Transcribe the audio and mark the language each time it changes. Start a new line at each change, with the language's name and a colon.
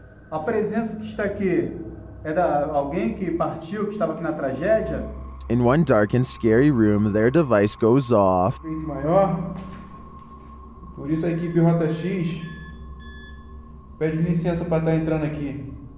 Portuguese: A presença que está aqui é da alguém que partiu, que estava aqui na tragédia?
English: In one dark and scary room, their device goes off.
Portuguese: Muito maior. Por isso a equipe Rota X pede licença para estar entrando aqui.